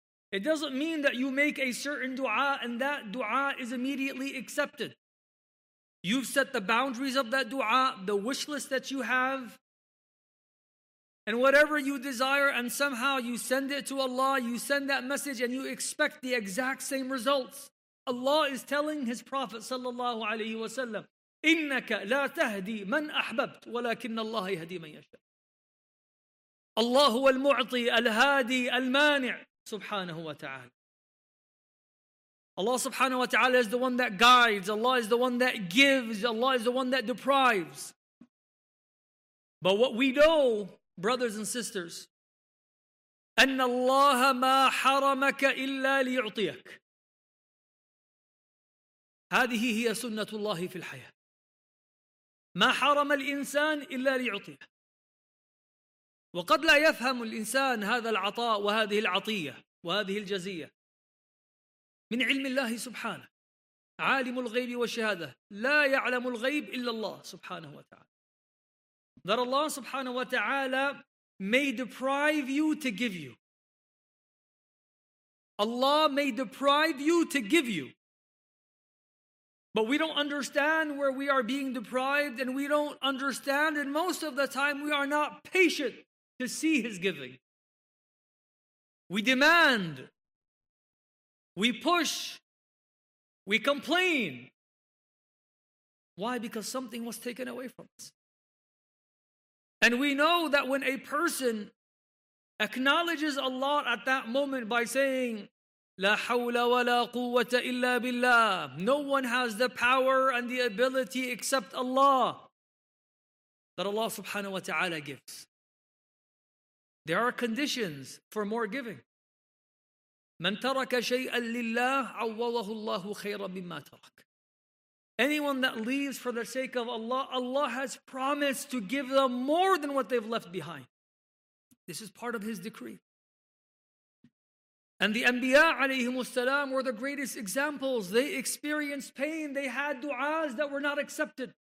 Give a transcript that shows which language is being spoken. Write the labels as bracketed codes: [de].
[en] It doesn't mean that you make a certain dua and that dua is immediately accepted. You've set the boundaries of that dua, the wish list that you have. And whatever you desire, and somehow you send it to Allah, you send that message and you expect the exact same results. Allah is telling His Prophet sallallahu alayhi wa sallam, [ar] إِنَّكَ لَا تَهْدِي مَنْ أَحْبَبْتُ وَلَكِنَّ اللَّهَ يَهْدِي مَنْ يَشَاءُ. Allah هو المعطي الهادي المانع سبحانه وتعالى. [en] Allah subhanahu wa ta'ala is the one that guides. Allah is the one that gives. Allah is the one that deprives. But what we know, brothers and sisters, [ar] أَنَّ اللَّهَ مَا حَرَمَكَ إِلَّا لِيُعْطِيَكَ. هَذِهِ هِيَ سُنَّةُ اللَّهِ فِي الْحَيَةِ. ما حرم الإنسان إلا ليعطيه. وقد لا يفهم الإنسان هذا العطاء وهذه العطية وهذه الجزية من علم الله سبحانه. عالم الغيب والشهادة، لا يعلم الغيب إلا الله سبحانه وتعالى. [en] That Allah سبحانه وتعالى may deprive you to give you. Allah may deprive you to give you. But we don't understand where we are being deprived, and we don't understand, and most of the time we are not patient to see His giving. We demand, we push, we complain. Why? Because something was taken away from us. And we know that when a person acknowledges Allah at that moment by saying, [ar] لا حول ولا قوة إلا بالله. [en] No one has the power and the ability except Allah. That Allah subhanahu wa ta'ala gives. There are conditions for more giving. [ar] من ترك شيئا لله عوضه الله خيرا مما ترك. [en] Anyone that leaves for the sake of Allah, Allah has promised to give them more than what they've left behind. This is part of His decree. And the Anbiya alayhim as-salam were the greatest examples. They experienced pain. They had du'as that were not accepted.